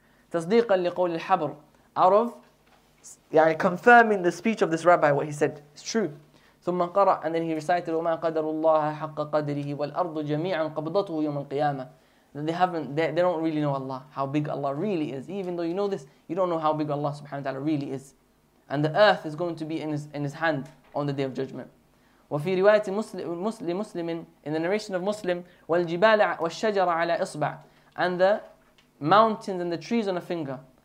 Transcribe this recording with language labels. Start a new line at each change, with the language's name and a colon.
Arabic: تصديقا لقول الحبر,
English: out of يعني confirming the speech of this rabbi, what he said, it's true.
Arabic: ثم قرأ,
English: and then he recited,
Arabic: وما قدر الله حق قدره والأرض جميعا قبضته يوم القيامة.
English: They don't really know Allah, how big Allah really is. Even though you know this, you don't know how big Allah subhanahu wa ta'ala really is. And the earth is going to be in his hand on the Day of Judgment.
Arabic: وفي رواية مسلم
English: in the narration of Muslim,
Arabic: والجبال والشجر على إصبع,
English: and the mountains and the trees on a finger.